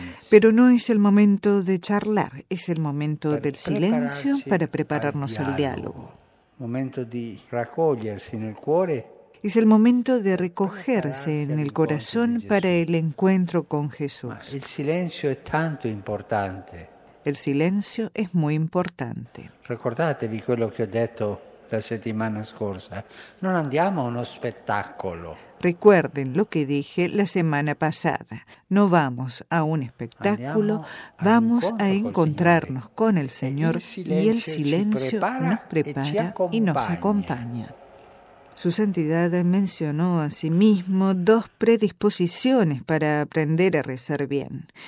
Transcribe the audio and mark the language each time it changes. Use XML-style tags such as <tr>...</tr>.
<es>Pero no es el momento de charlar, es el momento del silencio para prepararnos al diálogo. Momento de recogerse en el cuore. Es el momento de recogerse en el corazón para el encuentro con Jesús. El silencio es tanto importante. El silencio es muy importante.</es> <it>Recordatevi quello che ho detto la settimana scorsa. Non andiamo a uno spettacolo.</it> <es>Recuerden lo que dije la semana pasada. No vamos a un espectáculo,</es> <it>andiamo</it> <es>vamos a encontrarnos con el Señor y el silencio nos prepara y nos acompaña. Su Santidad mencionó asimismo 2 predisposiciones para aprender a rezar bien.</es>